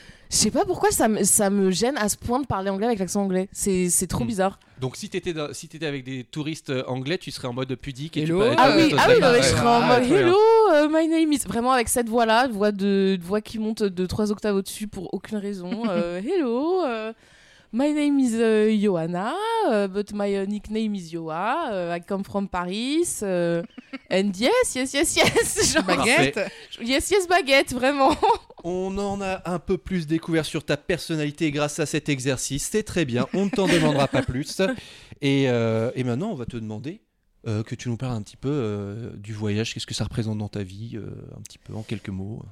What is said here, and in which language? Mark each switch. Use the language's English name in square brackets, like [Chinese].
[French] Je sais pas pourquoi ça me gêne à ce point de parler anglais avec l'accent anglais. C'est trop bizarre. Donc si t'étais avec des touristes anglais, tu serais en mode pudique. [English] Hello. [French] Et tu je serais en mode [English] hello, my name is... [French] Vraiment avec cette voix-là, voix qui monte de 3 octaves au-dessus pour aucune raison. [English] hello, my name is Johanna, but my nickname is Yoa, I come from Paris, and yes, [French] genre, baguette. Yes, baguette, vraiment. On en a un peu plus découvert sur ta personnalité grâce à cet exercice, c'est très bien, on ne t'en demandera pas plus. Et maintenant, on va te demander que tu nous parles un petit peu du voyage, qu'est-ce que ça représente dans ta vie, un petit peu, en quelques mots.